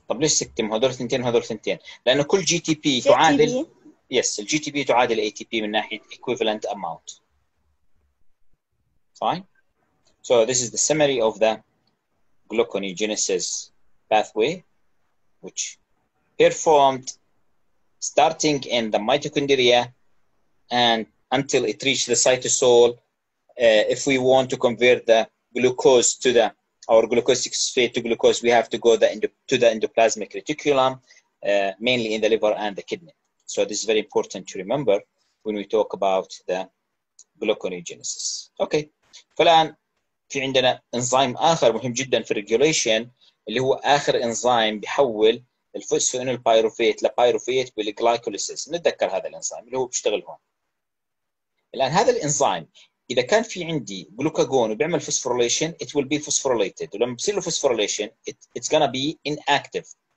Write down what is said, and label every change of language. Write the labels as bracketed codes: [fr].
[ar] طب ليش سكتم هذول ثنتين وهذول ثنتين؟ لأنه كل GTP تعادل yes GTP تعادل ATP من ناحية equivalent amount. [en] Fine. So this is the summary of the gluconeogenesis pathway, which performed starting in the mitochondria and until it reached the cytosol. If we want to convert the glucose to the our glucosic phosphate to glucose, we have to go the to the endoplasmic reticulum, mainly in the liver and the kidney. So this is very important to remember when we talk about the gluconeogenesis. [ar] Okay, فلان. في عندنا انزيم اخر مهم جدا في الريجوليشن اللي هو اخر انزيم بيحول الفوسفونيل بايروفيت لبايروفيت بالجلايكوليسيس. نتذكر هذا الانزيم اللي هو بيشتغل هون. الان هذا الانزيم اذا كان في عندي جلوكاجون وبيعمل فوسفوريليشن [en] it will be phosphorylated, [ar] ولما بصير له فوسفوريليشن [en] It's gonna be inactive.